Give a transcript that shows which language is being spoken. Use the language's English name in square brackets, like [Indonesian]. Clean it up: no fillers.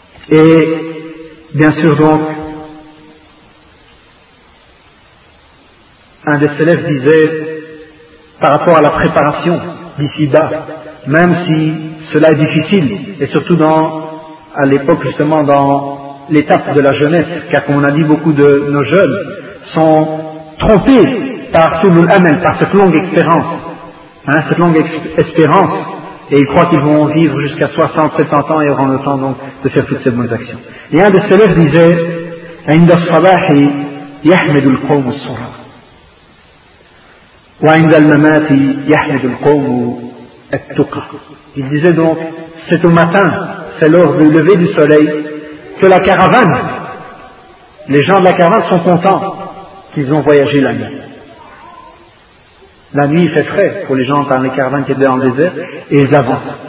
[French] Et bien sûr donc, un des célèbres disait, par rapport à la préparation d'ici-bas, même si cela est difficile, et surtout dans, à l'époque justement dans l'étape de la jeunesse, car comme on a dit, beaucoup de nos jeunes sont trompés par Soulul Amel, par cette longue expérience, hein, cette longue espérance, et ils croient qu'ils vont vivre jusqu'à 60, 70 ans et auront le temps donc de faire toutes ces bonnes actions. Et un des célèbres disait, [Arabic] عند الصباح يحمد القوم الصلاة وعند الممات يحمد القوم التقى. [French] Il disait donc, c'est au matin, c'est l'heure du lever du soleil, que la caravane, les gens de la caravane sont contents qu'ils ont voyagé la nuit. La nuit, il fait frais pour les gens dans les caravanes qui étaient dans le désert, et ils avancent.